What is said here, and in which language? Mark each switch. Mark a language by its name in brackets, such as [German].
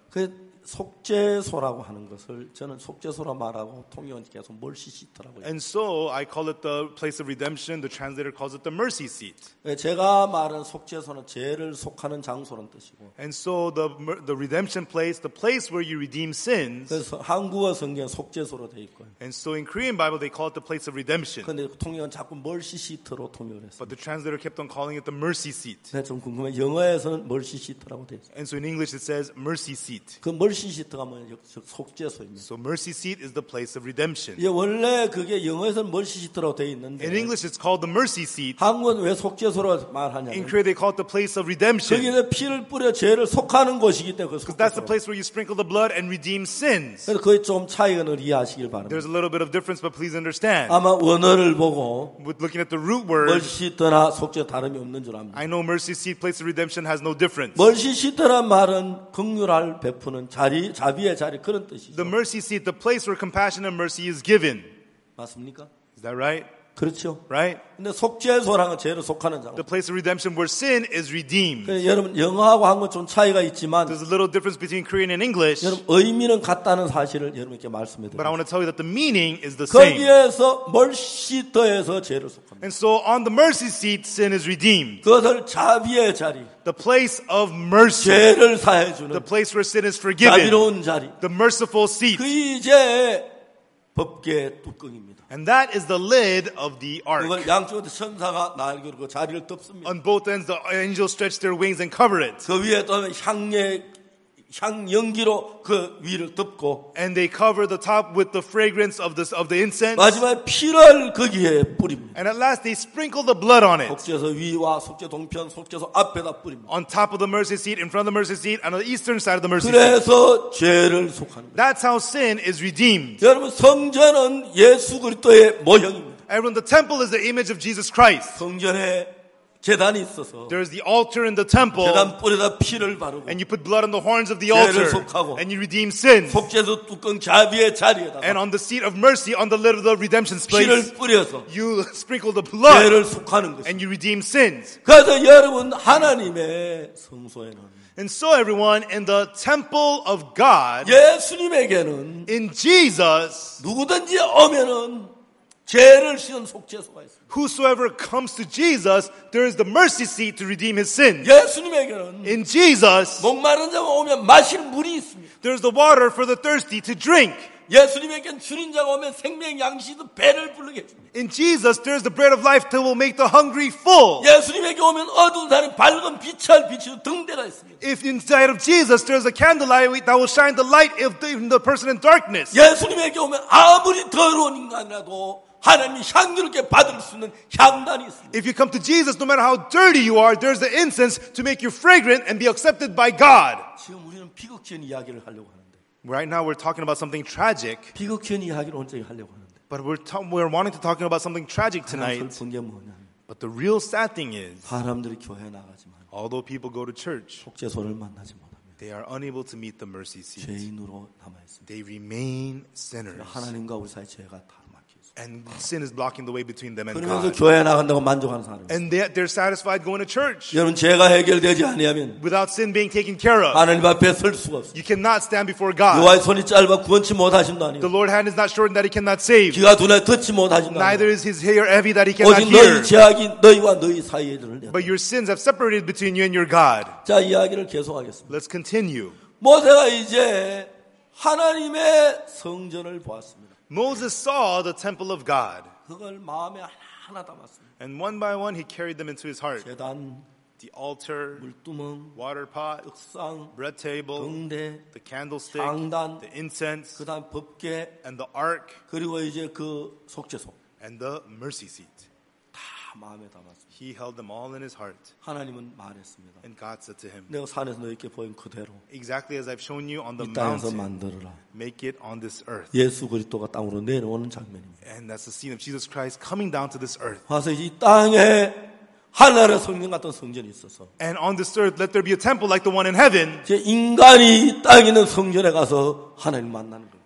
[Korean] 그 속죄소라고 하는 것을 저는 속죄소라 말하고 통역은 계속 mercy seat라고. [English] And so I call it the place of redemption. The translator calls it the mercy seat. [Korean] 제가 말은 속죄소는 죄를 속하는 장소란 뜻이고. [English] And so the redemption place, the place where you redeem sins. [Korean] 그래서 한국어 성경 속죄소로 돼 있고. [English] And so in Korean Bible they call it the place of redemption. [Korean] 근데 통역은 자꾸 mercy seat로 통역을 했어. [English] But the translator kept on calling it the mercy seat. [Korean] 네, 좀 궁금해. 영어에서는 mercy seat라고 돼 있어. [English] And so in English it says mercy seat. [Korean] 그 mercy seat가 뭐예요? 즉 속죄소입니다. [English] So mercy seat is the place of redemption. [Korean] 예, 원래 그게 영어에서는 mercy seat라고 돼 있는데. [English] In English it's called the mercy seat. [Korean] 한국은 왜 속죄소로 말하냐? [English] In Korea they call it the place of redemption. [Korean] 거기서 피를 뿌려 죄를 속하는 곳이기 때문에. [English] Because that's the place where you sprinkle the blood and redeem sins. [Korean] 그래서 그게 좀 차이는 이해하시길 바랍니다. [English] There's a little bit of difference, but please understand. [Korean] 아마 원어를 보고. [English] With looking at the root word. [Korean] mercy seat나 속죄 다름이 없는 줄 압니다. [English] I know mercy seat place of redemption has no difference. [Korean] mercy seat란 말은 긍휼할 베푸는 자리 자비의 자리 그런 뜻이죠. [English] The mercy seat, the place where compassion and mercy is given. [Korean] 맞습니까? [English] Is that right? [Korean] 그렇죠. [English] Right? [Korean] 근데 속죄소랑은 죄를 속하는 장소. [English] The place of redemption where sin is redeemed. [Korean] 여러분 영어하고 한국 좀 차이가 있지만. [English] There's a little difference between Korean and English. [Korean] 여러분 의미는 같다는 사실을 여러분께 말씀해 드립니다. [English] But I want to tell you that the meaning is the same. [Korean] 거기에서 mercy에서 죄를 속합니다. [English] And so on the mercy seat, sin is redeemed. [Korean] 그것을 자비의 자리. [English] The place of mercy. [Korean] 죄를 사해 주는. [English] The place where sin is forgiven. [Korean] 자비로운 자리. [English] The merciful seat. [Korean] 그 이제 법궤 뚜껑입니다. [English] And that is the lid of the ark. [Korean] 그걸 양쪽에 천사가 날개를 그 자리를 덮습니다. [English] On both ends, the angels stretch their wings and cover it. [Korean] 그 위에 또는 향의 향 연기로 그 위를 덮고 [English] and they cover the top with the fragrance of this of the incense [Korean] 마지막 피를 거기에 뿌립니다. [English] And at last they sprinkle the blood on it. [Korean] 속죄소 위와 속죄 동편 속죄소 앞에다 뿌립니다. [English] On top of the mercy seat in front of the mercy seat and on the eastern side of the mercy [Korean] 그래서 죄를 속하는 거예요. [English] That's how sin is redeemed. [Korean] 여러분 성전은 예수 그리스도의 모형입니다. [English] Everyone, the temple is the image of Jesus Christ. [Korean] 성전에 제단이 있어서 [English] There is the altar in the temple. [Korean] 제단 뿔에다 피를 바르고 [English] And you put blood on the horns of the altar. [Korean] 죄를 속하고 [English] And you redeem sins. [Korean] 속죄소 뚜껑 좌비의 자리에다가 [English] And on the seat of mercy on the lid of the redemption's place. [Korean] 피를 뿌려서 [English] You sprinkle the blood. [Korean] 죄를 속하는 것이 [English] And you redeem sins. [Korean] 그래서 여러분 하나님의 성소에는 [English] And so everyone in the temple of God [Korean] 예수님에게는 [English] In Jesus [Korean] 누구든지 오면은 죄를 씻은 속죄소가 있어요. [English] Whosoever comes to Jesus, there is the mercy seat to redeem his sins. [Korean] 예수님에게는 [English] In Jesus, [Korean] 목마른 자가 오면 마실 물이 있습니다. [English] There is the water for the thirsty to drink. [Korean] 예수님에게는 주는 자가 오면 생명 양식도 배를 부르게 해줍니다. [English] In Jesus, there is the bread of life that will make the hungry full. [Korean] 예수님에게 오면 어두운 자리 밝은 빛을 비추는 등대가 있습니다. [English] If inside of Jesus, there is a candlelight that will shine the light of the person in darkness. [Korean] 예수님에게 오면 아무리 더러운 인간이라도 하나님이 향기롭게 받을 수 있는 향단이 있습니다. [English] If you come to Jesus, no matter how dirty you are, there's the incense to make you fragrant and be accepted by God. [Korean] 지금 우리는 비극적인 이야기를 하려고 하는데. [English] Right now we're talking about something tragic. [Korean] 비극적인 이야기를 언제 하려고 하는데. [English] But we're wanting to talk about something tragic tonight. [Korean] 하나님 슬픈 게 뭐냐. [English] But the real sad thing is. [Korean] 사람들이 교회 나가지만. [English] Although people go to church. [Korean] 속죄소를 만나지 못. [English] They are unable to meet the mercy seat. [Korean] 죄인으로 남아 있습니다. [English] They remain sinners. [Korean] 하나님과 우리 사이 죄가 다. [English] And sin is blocking the way between them and God. [Korean] 그러면서 교회 나간다고 만족하는 사람. [English] And they're satisfied going to church. [Korean] 여러분 죄가 해결되지 아니하면, [English] without sin being taken care of, [Korean] 하나님 앞에 설 수가 없어. [English] You cannot stand before God. [Korean] 여호와의 손이 짧아 구원치 못하심도 아니요. [English] The Lord's hand is not shortened that He cannot save. [Korean] 귀가 둔해 듣지 못하심도 아니요. [English] Neither is His ear heavy that He cannot hear. [Korean] 오직 너희 죄악이 너희와 너희 사이에 들었네. [English] But your sins have separated between you and your God. [Korean] 자 이야기를 계속하겠습니다. [English] Let's continue. [Korean] 모세가 이제 하나님의 성전을 보았습니다. [English] Moses saw the temple of God. [Korean] 그걸 마음에 하나 담았습니다. [English] And one by one he carried them into his heart. [Korean] 제단, [English] the altar, [Korean] 물두멍, [English] water pot, [Korean] 떡상, [English] bread table, [Korean] 등대, [English] the candlestick, [Korean] 향단, [English] the incense, [Korean] 그다음 법궤, [English] and the ark, [Korean] 그리고 이제 그 속죄소, [English] and the mercy seat. [Korean] 다 마음에 담았습니다. [English] He held them all in his heart. [Korean] 하나님은 말했습니다. [English] And God said to him, [Korean] 내가 산에서 너에게 보인 그대로 [English] exactly as I've shown you on the [Korean] 이 땅에서 [English] mountain, [Korean] 만들어라. [English] Make it on this earth. [Korean] 예수 그리스도가 땅으로 내려오는 장면입니다. [English] And that's the scene of Jesus Christ coming down to this earth. [Korean] 와서 이 땅에 하늘의 성전 같은 성전이 있어서 [English] And on this earth let there be a temple like the one in heaven. [Korean] 이제 인간이 땅에 있는 성전에 가서 하나님 만나는 거예요.